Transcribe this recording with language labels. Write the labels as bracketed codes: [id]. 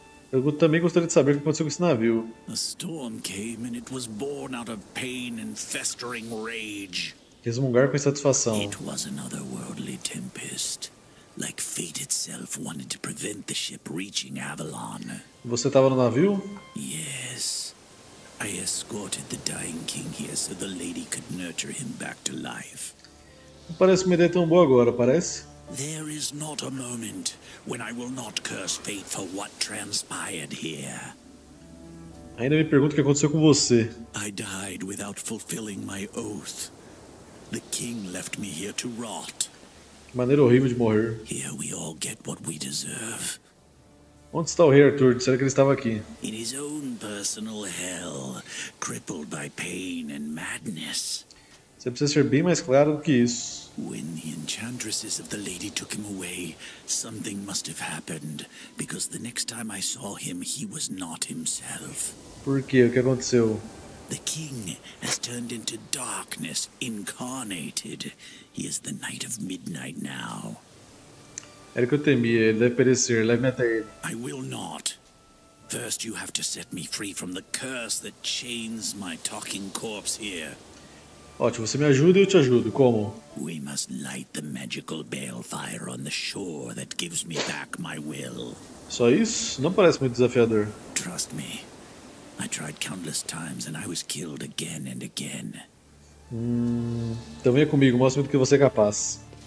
[pt] Eu também gostaria de saber o que aconteceu com esse navio. [en] A storm came and it was born out of pain and festering rage. [pt] Resmungar com insatisfação. [en] It was another worldly tempest. like fate itself wanted to prevent the ship reaching Avalon. [pt] Você estava no navio? [en] Yes. I escorted the dying king here so the lady could nurture him back to life. [pt] Não parece uma ideia tão boa agora, parece? [en] There is not a moment when I will not curse fate for what transpired here. [pt] Ainda me pergunto o que aconteceu com você. [en] I died without fulfilling my oath. The king left me here to rot. [pt] Que maneira horrível de morrer. [en] Here we all get what we deserve. [pt] Onde está o rei Arthur? Será que ele estava aqui? [en] In his own personal hell, crippled by pain and madness. [pt] Você precisa ser bem mais claro do que isso. [en] When the enchantresses of the lady took him away, something must have happened, because the next time I saw him, he was not himself. [pt] Por quê? O que aconteceu? [en] The king has turned into darkness incarnated. He is the knight of midnight now. [pt] Era o que eu temia, ele deve perecer, leve-me até ele. [en] I will not. First you have to set me free from the curse that chains my talking corpse here. [pt] Ótimo, você me ajuda e eu te ajudo. Como? [en] We must light the magical balefire on the shore that gives me back my will. [pt] Só isso? Não parece muito desafiador. [en] Trust me. I tried countless times and I was killed again and again. [pt] Então venha comigo, mostre-me do que você é capaz.